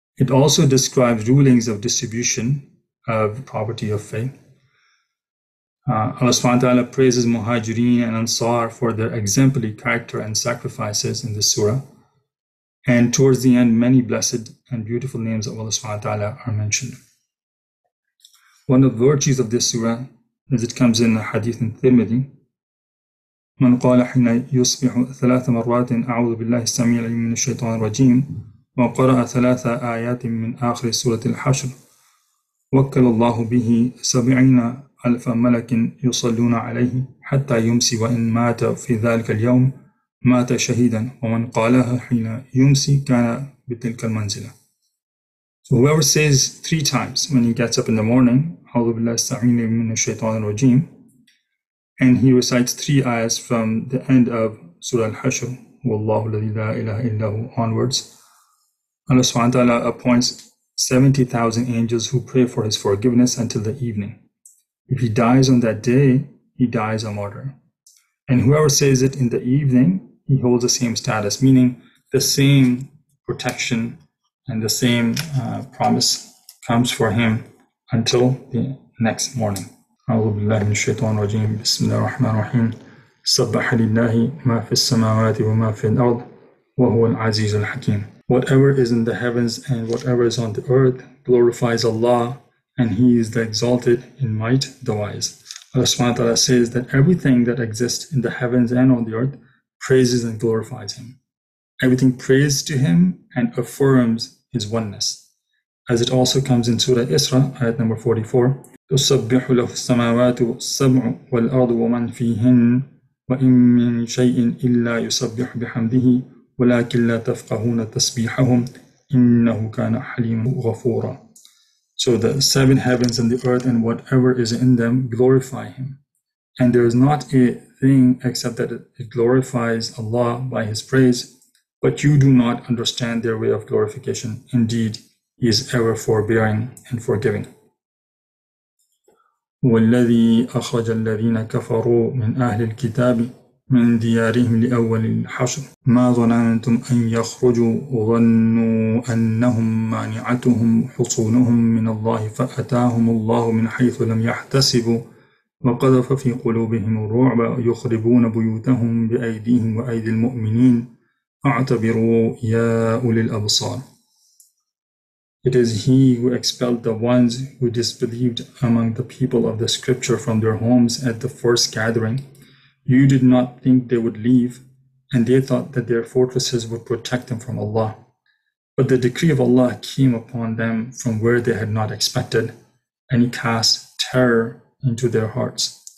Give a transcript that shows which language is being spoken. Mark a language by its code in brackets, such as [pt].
[en] It also describes rulings of distribution of property of faith. Allah subhanahu wa ta'ala praises Muhajireen and Ansar for their exemplary character and sacrifices in this surah. And towards the end, many blessed and beautiful names of Allah subhanahu wa ta'ala are mentioned. One of the virtues of this surah, as it comes in the hadith in Tirmidhi, [ar] من قال حين يصبح ثلاث مرات أعوذ بالله السميع العليم من الشيطان الرجيم وقرأ ثلاث آيات من آخر سورة الحشر وكل الله به 70,000 ملك يصلون عليه حتى يمسي وإن مات في ذلك اليوم مات شهيدا ومن قالها حين يمسي كان بتلك المنزلة. [en] So whoever says three times when he gets up in the morning, [ar] أعوذ بالله السميع العليم من الشيطان الرجيم, [en] and he recites three ayahs from the end of Surah Al-Hashr, [ar] وَاللَّهُ الَّذِي لَا إِلَهَ إِلَّا هُ [en] onwards, Allah subhanahu wa ta'ala appoints 70,000 angels who pray for his forgiveness until the evening. If he dies on that day, he dies a martyr. And whoever says it in the evening, he holds the same status, meaning the same protection and the same promise comes for him until the next morning. [ar] أعوذ بالله من الشيطان الرجيم بسم الله الرحمن الرحيم سبح لله ما في السماوات وما في الأرض وهو العزيز الحكيم. [en] Whatever is in the heavens and whatever is on the earth glorifies Allah and He is the exalted in might, the wise. Allah subhanahu wa ta'ala says that everything that exists in the heavens and on the earth praises and glorifies Him. Everything prays to Him and affirms His oneness. As it also comes in Surah Isra, ayat number 44, [ar] تسبح له السماوات السبع والأرض ومن فيهن وإن من شيء إلا يسبح بحمده ولكن لا تفقهون تسبيحهم إنه كان حليما غفورا. [en] So the seven heavens and the earth and whatever is in them glorify Him. And there is not a thing except that it glorifies Allah by His praise, but you do not understand their way of glorification. Indeed, He is ever forbearing and forgiving. [ar] والذي أخرج الذين كفروا من أهل الكتاب من ديارهم لأول الحشر ما ظننتم أن يخرجوا ظنوا أنهم مانعتهم حصونهم من الله فأتاهم الله من حيث لم يحتسبوا وقذف في قلوبهم الرعب يخربون بيوتهم بأيديهم وأيدي المؤمنين فاعتبروا يا أولي الأبصار. [en] It is He who expelled the ones who disbelieved among the people of the scripture from their homes at the first gathering. You did not think they would leave, and they thought that their fortresses would protect them from Allah. But the decree of Allah came upon them from where they had not expected, and He cast terror into their hearts.